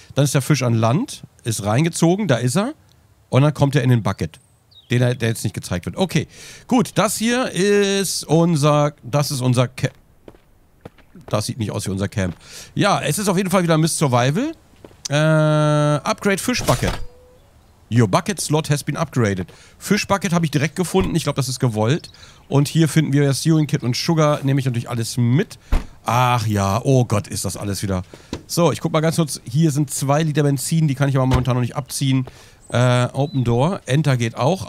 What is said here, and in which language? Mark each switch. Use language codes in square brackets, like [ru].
[de] Dann ist der Fisch an Land, ist reingezogen, da ist er. Und dann kommt er in den Bucket, der jetzt nicht gezeigt wird. Okay, gut, das hier ist unser, das ist unser Camp. Das sieht nicht aus wie unser Camp. Ja, es ist auf jeden Fall wieder Mist Survival. [en] Upgrade Fish Bucket. Your Bucket Slot has been upgraded. [de] Fish Bucket habe ich direkt gefunden. Ich glaube, das ist gewollt. Und hier finden wir Sewing Kit und Sugar. Nehme ich natürlich alles mit. Ach ja, oh Gott, ist das alles wieder. So, ich guck mal ganz kurz. Hier sind 2 Liter Benzin. Die kann ich aber momentan noch nicht abziehen. Open Door. Enter geht auch.